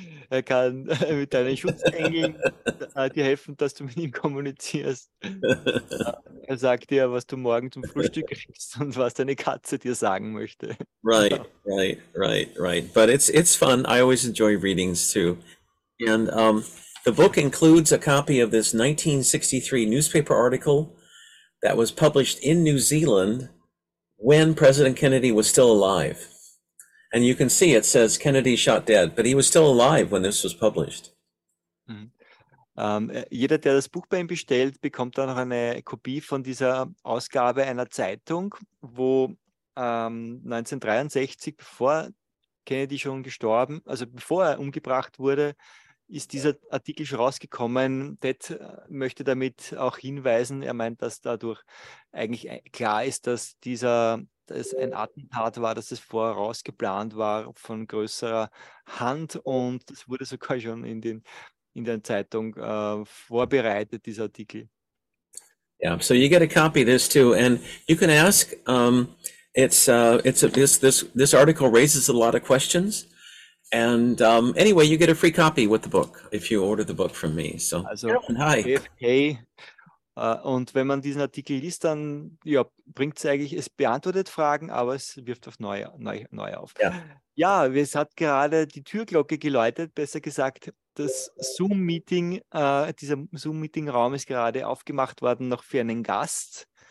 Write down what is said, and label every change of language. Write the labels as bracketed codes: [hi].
[de] Er kann mit deinen Schutzengeln dir helfen, dass du mit ihm kommunizierst. Er sagt dir, was du morgen zum Frühstück kriegst und was deine Katze dir sagen möchte. [en] Right. But it's fun. I always enjoy readings too. And the book includes a copy of this 1963 newspaper article that was published in New Zealand when President Kennedy was still alive. And you can see it says Kennedy shot dead, but he was still alive when this was published. [de] Jeder, der das Buch bei ihm bestellt, bekommt dann noch eine Kopie von dieser Ausgabe einer Zeitung, wo 1963, bevor Kennedy schon gestorben, also bevor er umgebracht wurde, ist dieser Artikel schon rausgekommen. Ted möchte damit auch hinweisen, er meint, dass dadurch eigentlich klar ist, dass dieser es ein Attentat war, dass es vorausgeplant war von größerer Hand, und es wurde sogar schon in der Zeitung vorbereitet, dieser Artikel. [en] Yeah, so you get a copy of this too, and you can ask. This article raises a lot of questions, and anyway, you get a free copy with the book if you order the book from me. So also, and hi. Okay. [de] Und wenn man diesen Artikel liest, dann ja, bringt es eigentlich, es beantwortet Fragen, aber es wirft auf neu auf. Ja. Ja, es hat gerade die Türglocke geläutet, besser gesagt, das Zoom-Meeting, dieser Zoom-Meeting-Raum ist gerade aufgemacht worden noch für einen Gast.